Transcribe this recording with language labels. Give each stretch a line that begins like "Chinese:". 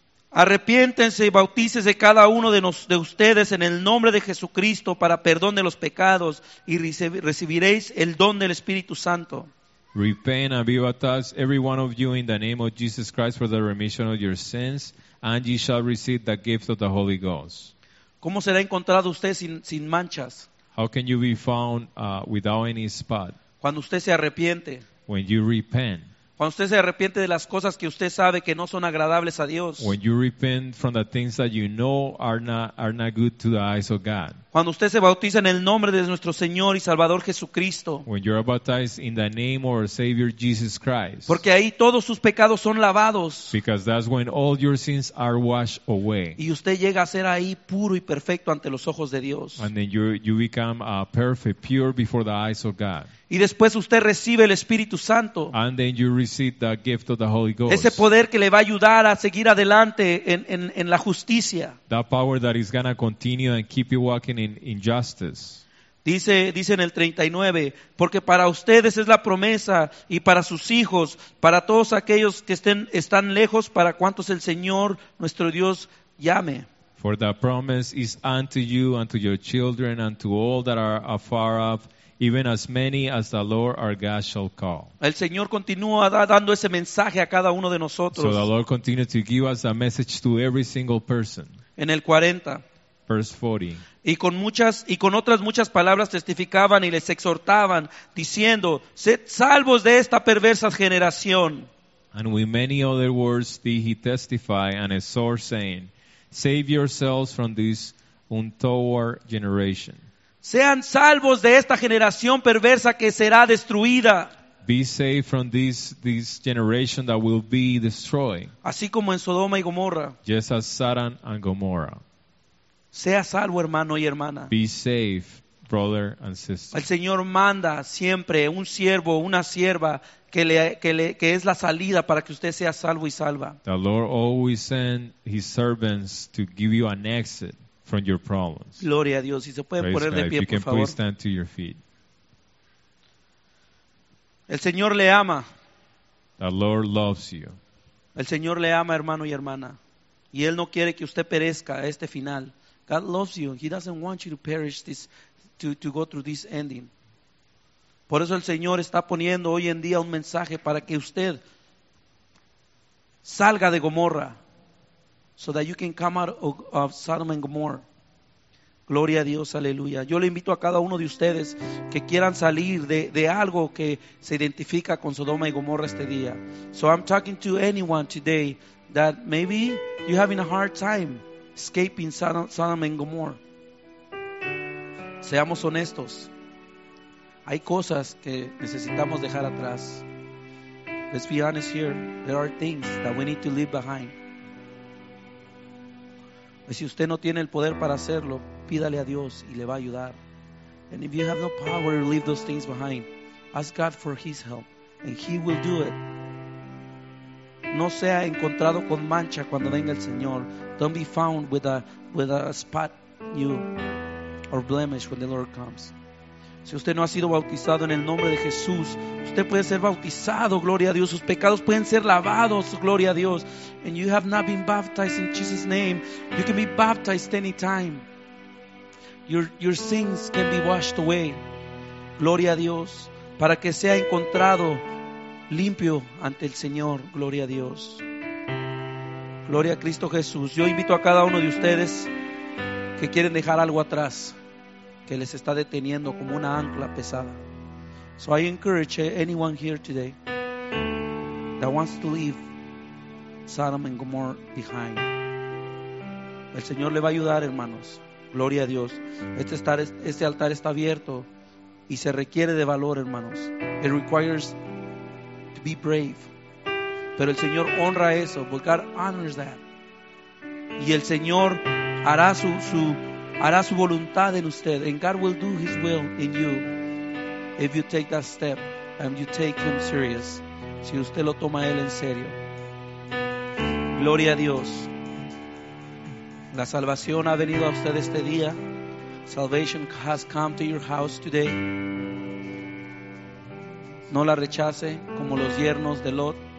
Spanish: Arrepiéntense y bautícese cada uno de ustedes en el nombre de Jesucristo para perdón de los pecados y recibiréis el don del Espíritu Santo.
English: Repent and be baptized every one of you in the name of Jesus Christ for the remission of your sins and ye shall receive the gift of the Holy Ghost.
Spanish: ¿Cómo será encontrado usted sin manchas?
English: How can you be found without any spot?
Spanish: Cuando usted se arrepiente.
English: When you repent.
Spanish: Cuando usted se arrepiente de las cosas que usted sabe que no son agradables a Dios.
English: When you repent from the things that you know are not good to the eyes of God.
Spanish: Cuando usted se bautiza en el nombre de nuestro Señor y Salvador Jesucristo.
English: When you're baptized in the name of our Savior Jesus Christ.
Spanish: Porque ahí todos sus pecados son lavados.
English: Because that's when all your sins are washed away.
Spanish: Y usted llega a ser ahí puro y perfecto ante los ojos de Dios.
English: And then you become perfect, pure before the eyes of God.
Spanish: Y después usted recibe el Espíritu Santo.
English: And then you receive the gift of the Holy Ghost.
Spanish: Ese poder que le va a ayudar a seguir adelante en la justicia.
English: That power that is going to continue and keep you walking in justice.
Spanish: Dice en el 39, porque para ustedes es la promesa y para sus hijos, para todos aquellos que están lejos, para cuantos el Señor nuestro Dios llame.
English: For the promise is unto you, unto your children, unto all that are afar off, even as many as the Lord our God shall call.
Spanish: El Señor continúa dando ese mensaje a cada uno de nosotros.
English: So the Lord continues to give us a message to every single person.
Spanish: En el 40.
English: Verse 40.
Spanish: Y con otras muchas palabras testificaban y les exhortaban, diciendo, sed salvos de esta perversa generación.
English: And with many other words did he testify and exhort, saying, save yourselves from this untoward generation.
Spanish: Sean salvos de esta generación perversa que será destruida.
English: Be saved from this generation that will be destroyed.
Spanish: Así como en Sodoma y Gomorra.
English: Just as Sodom and Gomorrah.
Spanish: Sea salvo, hermano y hermana.
English: Be safe, brother and sister.
Spanish: El Señor manda siempre un siervo, una sierva que es la salida para que usted sea salvo y salva.
English: The Lord always sends his servants to give you an exit from your problems.
Spanish: Gloria a Dios. Si se pueden poner de pie, por favor.
English: Please stand to your feet.
Spanish: El Señor le ama.
English: The Lord loves you.
Spanish: El Señor le ama, hermano y hermana. Y Él no quiere que usted perezca a este final.
English: God loves you. He doesn't want you to perish this, to go through this ending.
Spanish: Por eso el Señor está poniendo hoy en día un mensaje para que usted salga de Gomorra.
English: so that you can come out of Sodom and Gomorrah.
Spanish: Gloria a Dios, aleluya. Yo le invito a cada uno de ustedes que quieran salir de algo que se identifica con Sodoma y Gomorra este día.
English: So I'm talking to anyone today that maybe you're having a hard time escaping Sodom and Gomorra.
Spanish: Seamos honestos. Hay cosas que necesitamos dejar atrás.
English: Let's be honest here. There are things that we need to leave behind.
Spanish: Y si usted no tiene el poder para hacerlo, pídale a Dios y le va a ayudar.
English: And if you have no power to leave those things behind, ask God for His help and He will do it.
Spanish: No sea encontrado con mancha cuando venga el Señor.
English: Don't be found with a spot new or blemish when the Lord comes.
Spanish: Si usted no ha sido bautizado en el nombre de Jesús, usted puede ser bautizado, gloria a Dios. Sus pecados pueden ser lavados, gloria a Dios.
English: And you have not been baptized in Jesus' name, you can be baptized anytime. Your sins can be washed away.
Spanish: Gloria a Dios. Para que sea encontrado limpio ante el Señor, gloria a Dios. Gloria a Cristo Jesús. Yo invito a cada uno de ustedes que quieren dejar algo atrás que les está deteniendo como una ancla pesada.
English: So I encourage anyone here today that wants to leave Sodom and Gomorrah behind.
Spanish: El Señor le va a ayudar, hermanos. Gloria a Dios. Este altar está abierto y se requiere de valor, hermanos.
English: It requires to be brave.
Spanish: Pero el Señor honra eso.
English: But God honors that.
Spanish: Y el Señor hará hará su voluntad en usted.
English: And God will do His will in you if you take that step and you take Him serious.
Spanish: Si usted lo toma a Él en serio. Gloria a Dios. La salvación ha venido a usted este día.
English: Salvation has come to your house today.
Spanish: No la rechace como los yernos de Lot.